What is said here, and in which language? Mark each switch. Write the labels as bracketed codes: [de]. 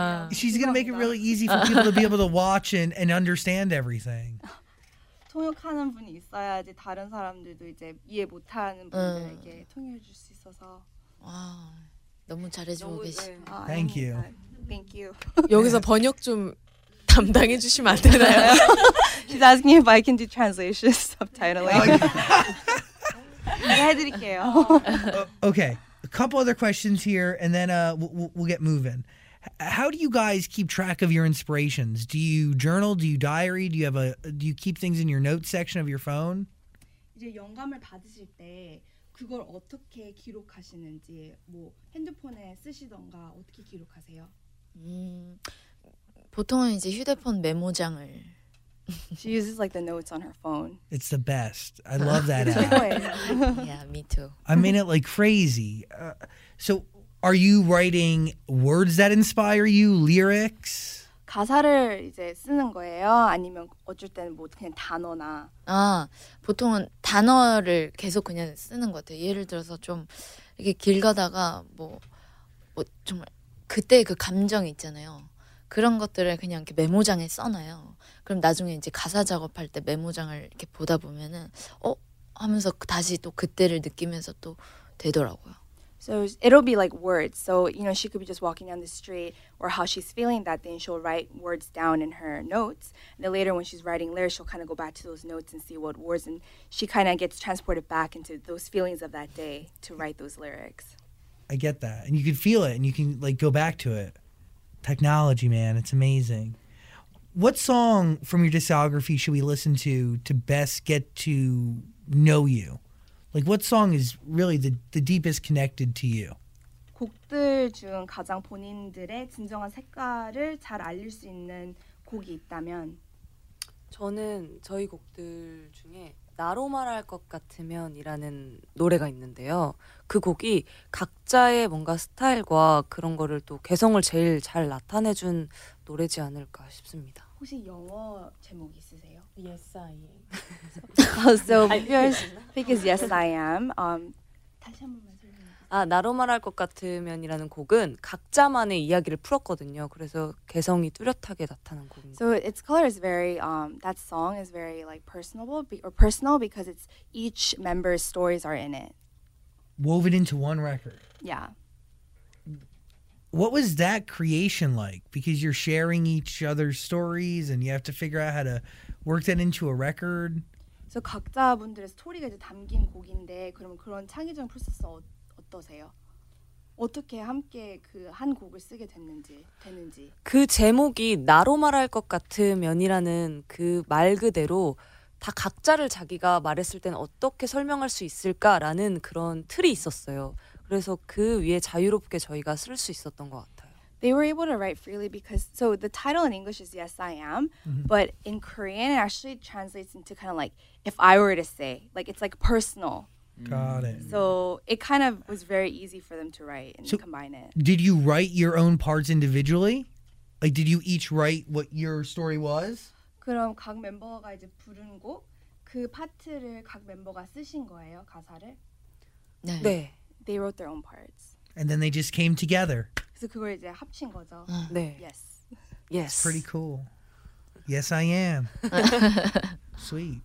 [en] She's going to make it really easy for people to be able to watch and understand everything. [ko] 통역하는 분이 있어야지 다른 사람들도 이제 이해 못하는 분들에게 통역해 줄 수 있어서 와 너무 잘해주고 계시. [en] Thank you. Thank you. [ko] 여기서 번역 좀 담당해 주시면 안 되나요? [en] She's asking if I can do translation subtitling. [ko] 해드릴게요. [en] Okay, a couple other questions here, and then we'll get moving. How do you guys keep track of your inspirations? Do you journal? Do you diary? Do you keep things in your notes section of your phone? [ko] 이제 영감을 받으실 때 그걸 어떻게 기록하시는지 뭐 핸드폰에 쓰시던가 어떻게 기록하세요? 보통은 이제 휴대폰 메모장을 [en] She uses like the notes on her phone. It's the best. I love that app. Yeah, me too. I mean it like crazy. Are you writing words that inspire you, lyrics? [ko] 가사를 이제 쓰는 거예요? 아니면 어쩔 때는 뭐 그냥 단어나? 아, 보통은 단어를 계속 그냥 쓰는 것 같아요. 예를 들어서 좀 이렇게 길 가다가 뭐 정말 그때 그 감정 있잖아요. 그런 것들을 그냥 이렇게 메모장에 써놔요. 그럼 나중에 이제 가사 작업할 때 메모장을 이렇게 보다 보면은 하면서 다시 또 그때를 느끼면서 또 되더라고요. [en] So it'll be like words. So, you know, she could be just walking down the street or how she's feeling that day, and she'll write words down in her notes. And then later when she's writing lyrics, she'll kind of go back to those notes and see what words, and she kind of gets transported back into those feelings of that day to write those lyrics. I get that. And you can feel it and you can like go back to it. Technology, man, it's amazing. What song from your discography should we listen to best get to know you? Like, what song is really the deepest connected to you? [ko] 곡들 중 가장 본인들의 진정한 색깔을 잘 알릴 수 있는 곡이 있다면 저는 저희 곡들 중에 나로 말할 것 같으면이라는 노래가 있는데요. 그 곡이 각자의 뭔가 스타일과 그런 거를 또 개성을 제일 잘 나타내준 노래지 않을까 싶습니다. 혹시 영어 제목 있으세요? [en] Yes, I am. So, yours, because yes, I am. [ko] 다시 한 번만 설명해주세요. 아, 나로 말할 것 같으면이라는 곡은 각자만의 이야기를 풀었거든요. 그래서 개성이 뚜렷하게 나타난 곡입니다. [en] So, its color is very, that song is very like personal because it's each member's stories are in it. Woven into one record. Yeah. What was that creation like? Because you're sharing each other's stories and you have to figure out how to work that into a record. [ko] So 각자분들의 스토리가 이제 담긴 곡인데 그러면 그런 창의적인 프로세스 어떠세요? 어떻게 함께 그 한 곡을 쓰게 됐는지. 그 제목이 나로 말할 것 같으면이라는 그 말 그대로 다 각자를 자기가 말했을 땐 어떻게 설명할 수 있을까라는 그런 틀이 있었어요. 그래서 그 위에 자유롭게 저희가 쓸 수 있었던 것 같아요. [en] They were able to write freely because, so the title in English is Yes, I Am, but in Korean it actually translates into kind of like, if I were to say, like it's like personal. Got it. So it kind of was very easy for them to write and so combine it. Did you write your own parts individually? Like, did you each write what your story was? [ko] 그럼 각 멤버가 이제 부른 곡, 그 파트를 각 멤버가 쓰신 거예요, 가사를? 네. 네. [en] They wrote their own parts. And then they just came together. [ko] 그걸 이제 합친 거죠. 네. [en] Yes. Yes. That's pretty cool. Yes, I am. Sweet.